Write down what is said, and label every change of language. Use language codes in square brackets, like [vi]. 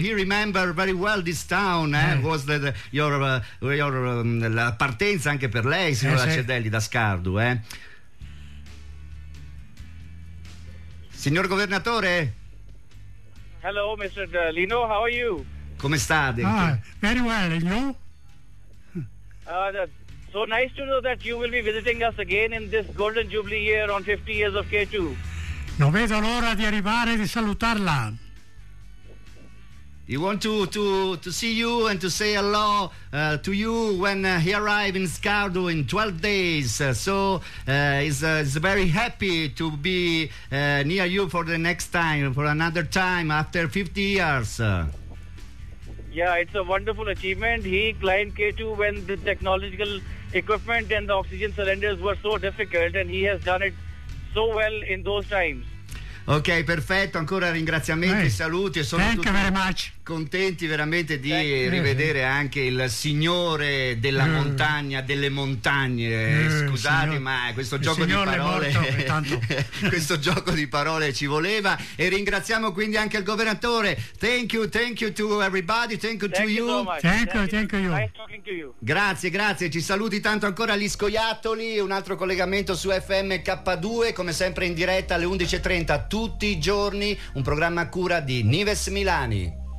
[en] He remember very well this town. Was your [it] la partenza anche per lei, signor Lacedelli, da Scardu, Signor governatore. [en] Hello, Mr. Lino. How are you? [it] Come state? [en] Very well, and you? So nice to know that you will be visiting us again in this golden jubilee year on 50 years of K2. [it] Non vedo l'ora di arrivare e di salutarla. [en] You want to see you and to say hello to you when he arrive in Scardu in 12 days. So is very happy to be near you for the next time, for another time after 50 years. Yeah, it's a wonderful achievement. He climbed K2 when the technological equipment and the oxygen cylinders were so difficult, and he has done it so well in those times. [it] Ok, perfetto, ancora ringraziamenti, saluti e sono tutti [en] very much. [it] Contenti veramente di rivedere anche il signore della montagna, delle montagne, scusate ma questo gioco di parole questo gioco di parole ci voleva, e ringraziamo quindi anche il governatore. [en] Thank you to everybody, thank you to you. So thank you. Nice talking to you. [it] Grazie, ci saluti tanto ancora gli scoiattoli, un altro collegamento su FM K2, come sempre in diretta alle 11:30. Tutti i giorni un programma a cura di Nives Milani.